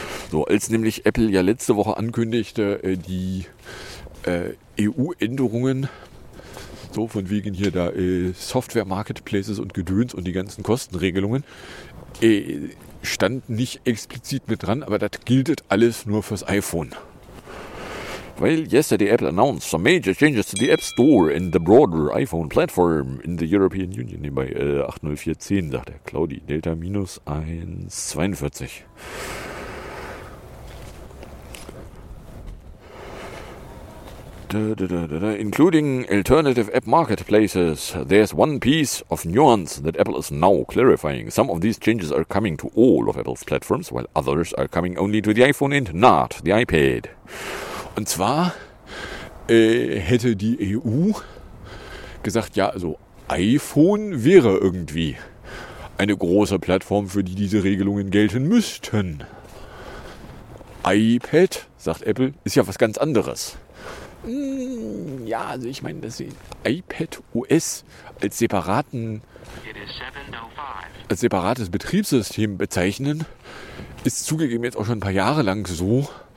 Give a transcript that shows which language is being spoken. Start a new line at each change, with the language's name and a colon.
German: So, als nämlich Apple ja letzte Woche ankündigte, die EU-Änderungen, so von wegen hier da Software-Marketplaces und Gedöns und die ganzen Kostenregelungen, stand nicht explizit mit dran, aber das gilt alles nur fürs iPhone.
English: Well, yesterday Apple announced some major changes to the App Store and the broader iPhone platform in the European Union.
German: Nebenbei 80410, sagt der Claudi. Delta minus 142.
English: Including alternative app marketplaces, there's one piece of nuance that Apple is now clarifying. Some of these changes are coming to all of Apple's platforms, while others are coming only to the iPhone and not the iPad.
German: Und zwar hätte die EU gesagt, ja, also iPhone wäre irgendwie eine große Plattform, für die diese Regelungen gelten müssten. iPad, sagt Apple, ist ja was ganz anderes. Ja, also ich meine, dass sie iPad OS als separates Betriebssystem bezeichnen, ist zugegeben jetzt auch schon ein paar Jahre lang so.